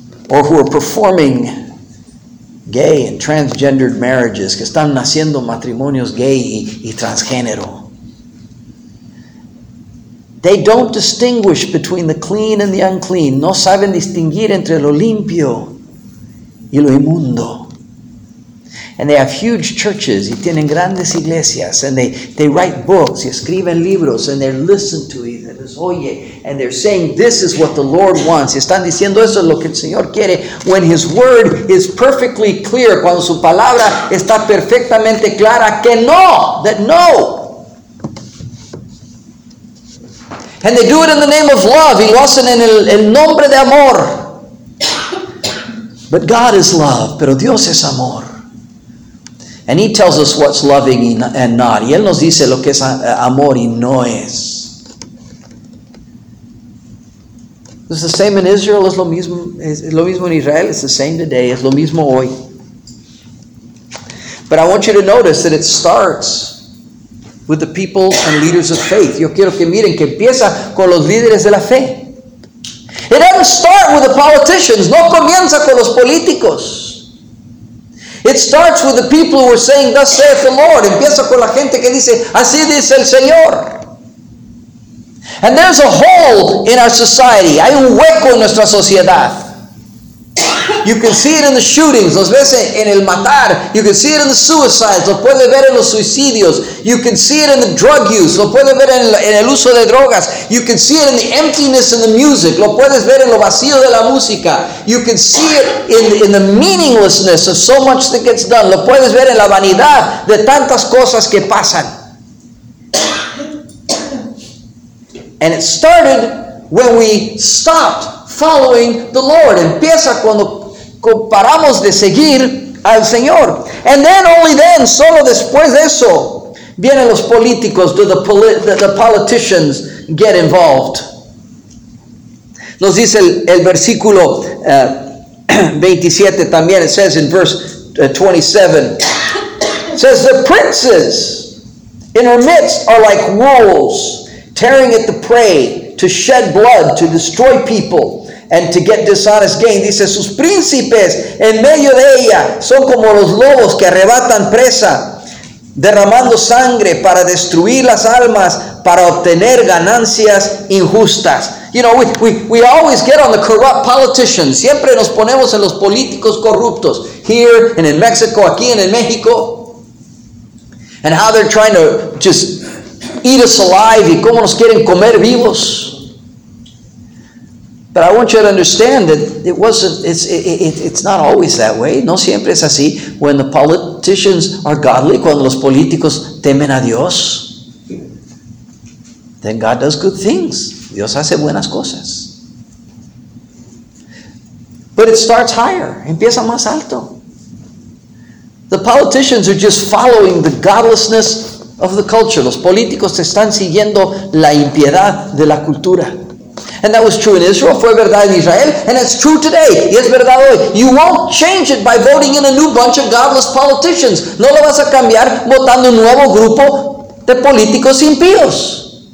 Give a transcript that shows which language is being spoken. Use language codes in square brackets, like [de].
[en] Or who are performing gay and transgendered marriages, [es] que están naciendo matrimonios gay y transgénero. [en] They don't distinguish between the clean and the unclean. [es] No saben distinguir entre lo limpio y lo inmundo. [en] And they have huge churches. [es] Y tienen grandes iglesias. [en] And they write books. [es] Y escriben libros. [en] And they're listened to. [es] Y les oye. [en] And they're saying, this is what the Lord wants. [es] Y están diciendo, eso es lo que el Señor quiere. [en] When His word is perfectly clear. [es] Cuando su palabra está perfectamente clara. Que no. [en] That no. And they do it in the name of love. [es] Y lo hacen en el nombre de amor. [en] But God is love. [es] Pero Dios es amor. [en] And He tells us what's loving and not. [es] Y Él nos dice lo que es amor y no es. [en] It's the same in Israel. [es] Es lo mismo en Israel. [en] It's the same today. [es] Es lo mismo hoy. [en] But I want you to notice that it starts with the people and leaders of faith. [es] Yo quiero que miren que empieza con los líderes de la fe. [en] It doesn't start with the politicians. [es] No comienza con los políticos. [en] It starts with the people who are saying, thus saith the Lord. [es] Empieza con la gente que dice, así dice el Señor. [en] And there's a hole in our society. [es] Hay un hueco en nuestra sociedad. [en] You can see it in the shootings. [es] Los ves en el matar. [en] You can see it in the suicides. [es] Lo puede ver en los suicidios. [en] You can see it in the drug use. [es] Lo puede ver en el uso de drogas. [en] You can see it in the emptiness in the music. [es] Lo puedes ver en lo vacío de la música. [en] You can see it in the meaninglessness of so much that gets done. [es] Lo puedes ver en la vanidad de tantas cosas que pasan. [en] And it started when we stopped following the Lord. [es] Empieza cuando paramos de seguir al Señor. [en] And then, only then, [es] solo después de eso, vienen los políticos, [en] the politicians get involved. [es] Nos dice el versículo 27 también, [en] it says in verse 27, it says, the princes in our midst are like wolves, tearing at the prey, to shed blood, to destroy people, and to get dishonest gain. [es] Dice, sus príncipes en medio de ella son como los lobos que arrebatan presa, derramando sangre para destruir las almas, para obtener ganancias injustas. [en] You know, we always get on the corrupt politicians. [es] Siempre nos ponemos en los políticos corruptos. [en] Here and in Mexico, [es] aquí and in México. [en] And how they're trying to just eat us alive, [es] y cómo nos quieren comer vivos. [en] But I want you to understand that it's not always that way. [es] No siempre es así. [en] When the politicians are godly, [es] cuando los políticos temen a Dios, [en] then God does good things. [es] Dios hace buenas cosas. [en] But it starts higher. [es] Empieza más alto. [en] The politicians are just following the godlessness of the culture. [es] Los políticos están siguiendo la impiedad de la cultura. [en] And that was true in Israel. [es] Fue verdad en Israel. [en] And it's true today. [es] Y es verdad hoy. [en] You won't change it by voting in a new bunch of godless politicians. [es] No lo vas a cambiar votando un nuevo grupo de políticos impíos.